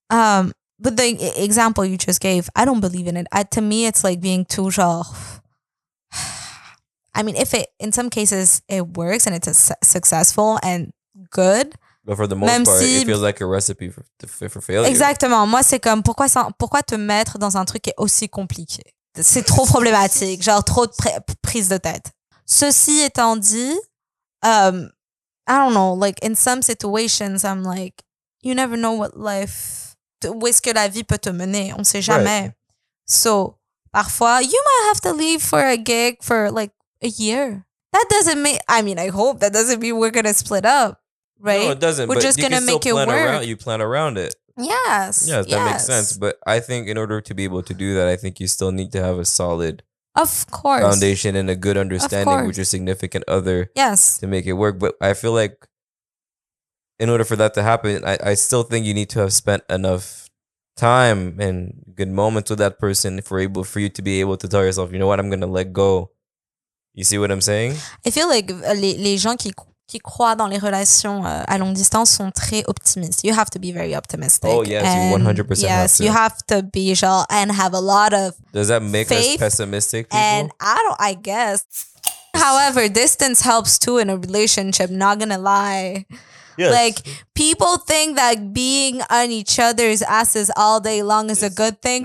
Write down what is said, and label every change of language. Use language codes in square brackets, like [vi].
[en] But the example you just gave, I don't believe in it. To me, it's like being too genre. I mean, if it, in some cases it works and it's successful and good, but for the most part, it feels like a recipe for failure. [fr] Exactement. Moi, c'est comme, pourquoi te mettre dans un truc qui est aussi compliqué? C'est trop problématique. Genre, trop de prise de tête. Ceci étant dit, [en] I don't know, like, in some situations, I'm like, you never know what life, [fr] où est-ce que la vie peut te mener? On sait jamais. Right. [en] So, parfois, you might have to leave for a gig for, like, a year. That doesn't mean, I mean, I hope that doesn't mean we're going to split up. Right? No, it doesn't. We're just going to make it work. Around, you plan around it. Yes. Yes, that makes sense. But I think in order to be able to do that, I think you still need to have a solid foundation and a good understanding with your significant other to make it work. But I feel like in order for that to happen, I still think you need to have spent enough time and good moments with that person for you to be able to tell yourself, you know what, I'm going to let go. You see what I'm saying? I feel like [fr] les gens qui croient dans les relations à longue distance sont très optimistes. [en] You have to be very optimistic. Oh, yes, and you 100% yes, have to. You have to be, genre, and have a lot of faith. Does that make us pessimistic people? And I guess. However, distance helps too in a relationship, not gonna lie. Yes. Like, people think that being on each other's asses all day long is a good thing.